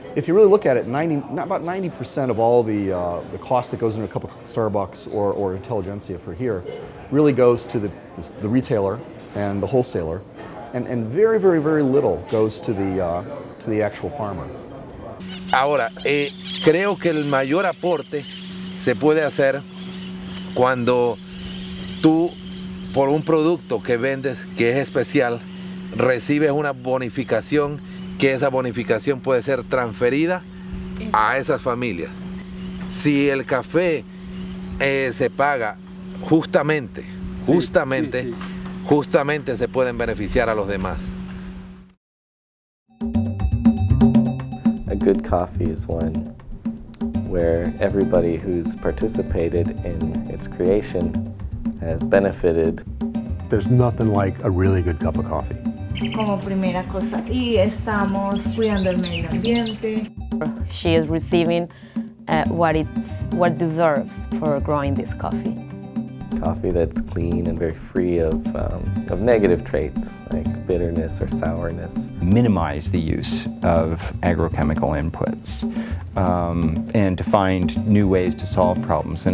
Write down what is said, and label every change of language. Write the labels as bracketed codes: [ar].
[en] If you really look at it, about 90% of all the cost that goes into a cup of Starbucks or Intelligentsia for here really goes to the retailer and the wholesaler, and very, very, very little goes to the actual farmer. [es] Ahora, creo que el mayor aporte se puede hacer cuando tú, por un producto que vendes que es especial, recibes una bonificación, que esa bonificación puede ser transferida a esas familias. Si el café se paga justamente, justamente se pueden beneficiar a los demás. [en] A good coffee is one where everybody who's participated in its creation has benefited. There's nothing like a really good cup of coffee. [es] Como primera cosa, y estamos cuidando el medio ambiente. [en] She is receiving what deserves for growing this coffee. Coffee that's clean and very free of negative traits like bitterness or sourness. Minimize the use of agrochemical inputs and to find new ways to solve problems.